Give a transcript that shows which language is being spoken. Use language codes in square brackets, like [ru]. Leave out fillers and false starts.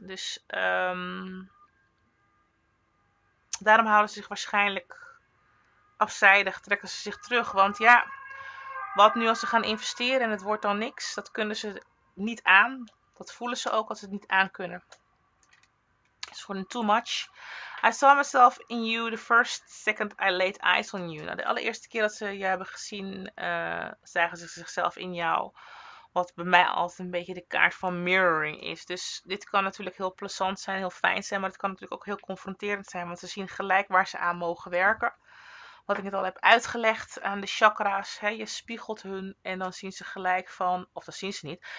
[nl] Dus daarom houden ze zich waarschijnlijk afzijdig, trekken ze zich terug. Want ja, wat nu als ze gaan investeren en het wordt dan niks? Dat kunnen ze niet aan. Dat voelen ze ook als ze het niet aankunnen. [en] It's for them too much. I saw myself in you the first second I laid eyes on you. [nl] Nou, de allereerste keer dat ze je hebben gezien, zagen ze zichzelf in jou. Wat bij mij altijd een beetje de kaart van mirroring is. Dus dit kan natuurlijk heel plezant zijn, heel fijn zijn. Maar het kan natuurlijk ook heel confronterend zijn. Want ze zien gelijk waar ze aan mogen werken. Wat ik net al heb uitgelegd aan de chakra's. Hè, je spiegelt hun en dan zien ze gelijk van, of dat zien ze niet.